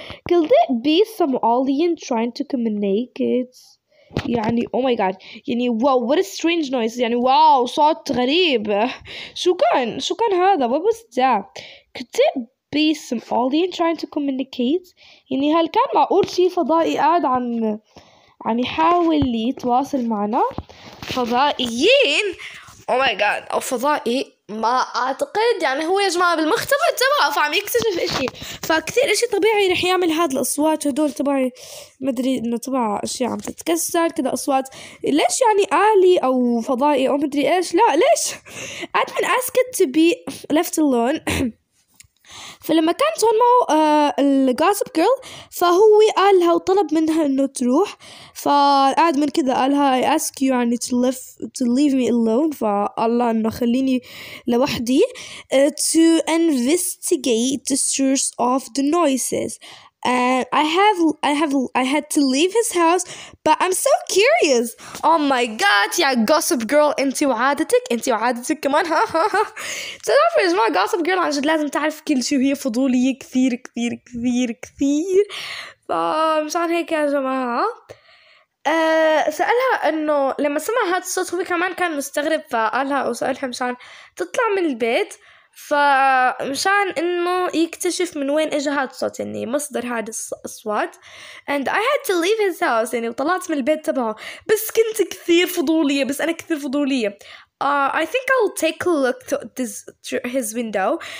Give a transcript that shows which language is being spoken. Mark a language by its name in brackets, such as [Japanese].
[English] Could it be some alien trying to communicate؟ يعني oh my god، يعني wow what a strange noise، يعني [Arabic] واو صوت غريب. شو كان هذا؟ [English] what was that؟ Could it be some alien trying to communicate؟ [Arabic] يعني هل كان معقول شي فضائي قاعد عم عم يحاول لي يتواصل معنا فضائيين. [English] oh my god, [Arabic] او فضائي ما اعتقد، يعني هو يا جماعه بالمختبر تبعه فعم يكتشف اشي، فكثير اشي طبيعي رح يعمل هاد الاصوات. هدول تبعي مدري انه تبع اشياء عم تتكسر كذا اصوات، ليش يعني الي او فضائي او مدري ايش؟ لا ليش قد من اسكت [English] To be left alone. [Arabic] فلما كانت هون معه الغوسب جيرل، فهو قالها وطلب منها انه تروح، فقعد من كذا قالها [English] I ask you يعني to leave me alone، [Arabic] فالله انه خليني لوحدي [English] to investigate the source of the noises and I had to leave his house but I'm so curious. Oh my god [Arabic] يا غوسب جيرل، انت وعادتك كمان ها تعرف ايش ما غوسب جيرل، عن جد لازم تعرف كل شيء، وهي فضوليه كثير كثير كثير كثير. فمشان هيك يا جماعه سألها انه لما سمع هذا الصوت هو كمان كان مستغرب، فقالها او سألها مشان تطلع من البيت، فمشان انه يكتشف من وين اجى هذا الصوت، يعني مصدر هذا الاصوات. [English] and I had to leave his house، [Arabic] يعني وطلعت من البيت تبعه، بس كنت كثير فضولية، بس انا كثير فضولية. [English] I think I'll take a look through his window.